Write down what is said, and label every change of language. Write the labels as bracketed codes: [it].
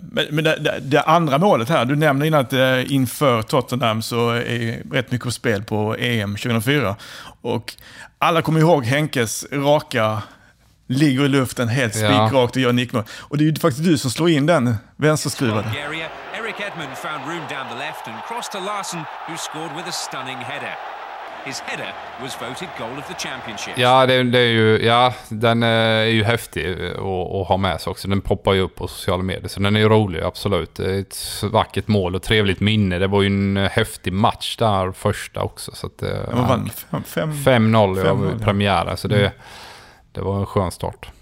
[sv] Men det andra målet här, du nämnde innan att inför Tottenham så är rätt mycket på spel på EM 2004. Och alla kommer ihåg Henkes raka, ligger i luften helt spikrakt och gör nickmål. Och det är ju faktiskt du som slår in den vänsterskruvade. [en] Eric Edmund found room down the left and crossed to Larsson, who scored with a stunning header. His header was voted goal of the championship. [sv] Ja, det är ju, ja, den är ju häftig att ha med sig också. Den poppar ju upp på sociala medier, så den är ju rolig, absolut. Det är ett vackert mål och trevligt minne. Det var ju en häftig match där första också. Så att, man vann 5-0 i premiären, så det var en skön start.